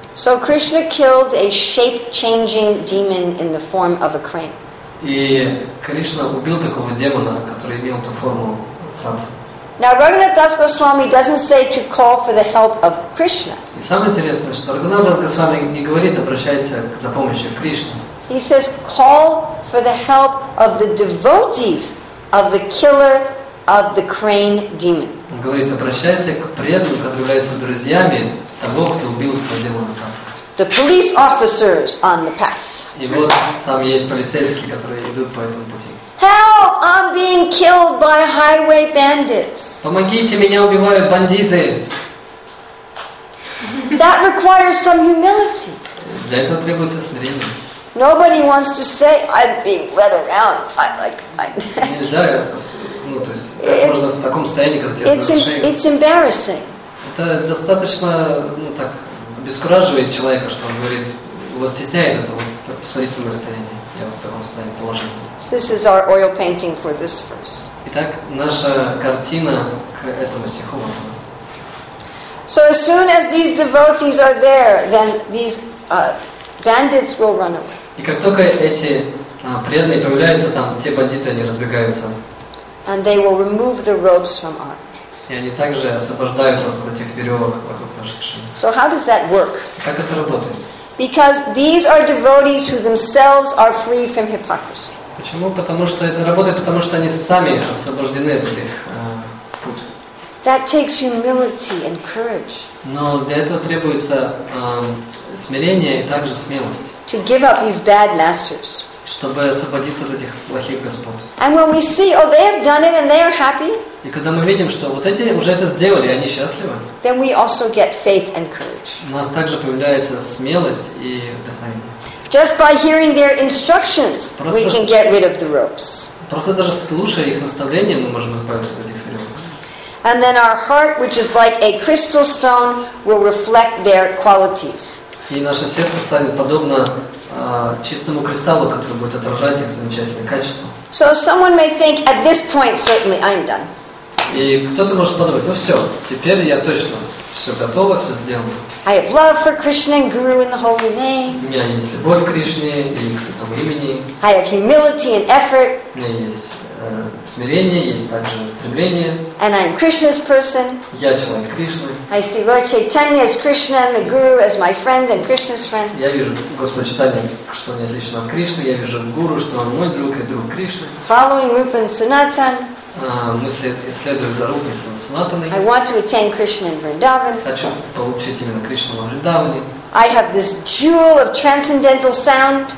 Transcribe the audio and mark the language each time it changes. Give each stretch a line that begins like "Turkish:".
English: So Krishna killed a shape-changing demon in the form of a crane.
Russian: И Кришна убил такого демона, который имел ту форму цапли.
English: Now Raghunath Das Goswami doesn't say to call for the help of Krishna.
Russian: И самое интересное, что Раганат Дас Госвами не говорит обращайся за помощью к Кришне.
English: He says call for the help of the devotees of the killer of the crane demon.
Russian: Он говорит обращайся к преданным, которые являются друзьями того, кто убил этого демона цапли.
English: The police officers on the path.
Russian: И вот там есть полицейские, которые идут по этому пути.
English: Help! I'm being killed by highway bandits.
Russian: Помогите, меня убивают бандиты.
English: That requires some humility.
Russian: Для этого требуется смирение.
English: Nobody wants to say I'm being led around.
Russian: Нельзя, ну то есть можно в таком состоянии, когда тебя зашивают.
English: It's embarrassing.
Russian: Это достаточно, ну так обескураживает человека, что он говорит, его стесняет это вот посмотреть в его состояние. Я в таком состоянии положен.
English: This is our oil painting for this verse.
Russian: Итак, наша картина к этому стиху.
English: So as soon as these devotees are there, then these bandits will run away.
Russian: И как только эти преданные появляются там, те бандиты они разбегаются.
English: And they will remove the ropes from our necks.
Russian: И они также освобождают нас от этих веревок вокруг наших шеи.
English: So how does that work?
Russian: Как это работает?
English: Because these are devotees who themselves are free from hypocrisy.
Russian: Почему? Потому что это работает, потому что они сами освобождены от этих пут.
English: That takes humility and courage.
Russian: Но для этого требуется смирение и также смелость.
English: To give up these bad masters.
Russian: Чтобы освободиться от этих плохих господ.
English: And when we see, oh, they have done it and they are happy.
Russian: И когда мы видим, что вот эти уже это сделали, они счастливы.
English: Then we also get faith and courage.
Russian: У нас также появляется смелость и вдохновение.
English: Just by hearing their instructions,
Russian: просто,
English: we can get rid of the ropes.
Russian: Просто даже слушая их наставления, мы можем избавиться от этих веревок.
English: And then our heart, which is like a crystal stone, will reflect their qualities.
Russian: И наше сердце станет подобно чистому кристаллу, который будет отражать их замечательные качества.
English: So someone may think, at this point, certainly I'm done.
Russian: И кто-то может подумать, ну все, теперь я точно все готово, все сделано.
English: I have love for Krishna and Guru in the holy name.
Russian: У меня есть любовь к Кришне и к святому имени.
English: I have humility and effort.
Russian: У меня есть смирение, есть также стремление.
English: And I am Krishna's person.
Russian: Я человек Кришны.
English: I see Lord Chaitanya as Krishna and the Guru as my friend and Krishna's friend.
Russian: Я вижу Господь Чайтанья, что он отличен от Кришны. Я вижу Гуру, что он мой друг и друг Кришны.
English: Following Rupa and Sanatan.
Russian: Мы следуем за Рупой и Санатаной.
English: I want to attend Krishna in Vrindavan.
Russian: Хочу получить именно Кришну в Вриндаване.
English: I have this jewel of transcendental sound.